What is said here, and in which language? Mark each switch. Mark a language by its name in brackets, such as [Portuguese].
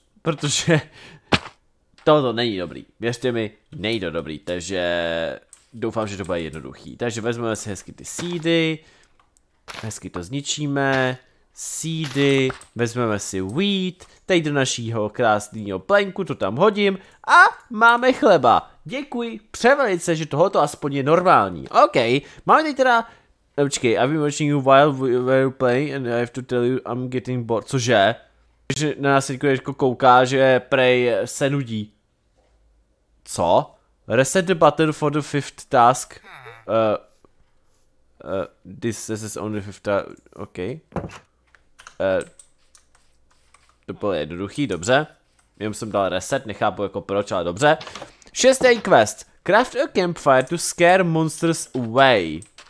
[Czech] Protože tohle není dobrý, věřte mi, není to dobrý, takže doufám, že to bude jednoduchý. Takže vezmeme si hezky ty seedy, hezky to zničíme, seedy, vezmeme si wheat, teď do našího krásného plenku to tam hodím a máme chleba. Děkuji, převelice, že tohoto aspoň je normální. OK, máme teď teda, počkej, [English] I've been watching you while we're playing and I have to tell you I'm getting bored, [Czech] cože? Že na nás teď kouká, že prej se nudí. Co? [English] Reset the button for the fifth task. This is only fifth task. OK. [Czech] To bylo jednoduchý, dobře. Jenom jsem dal reset, nechápu jako proč, ale dobře. 6. quest. [English] Craft a campfire to scare monsters away.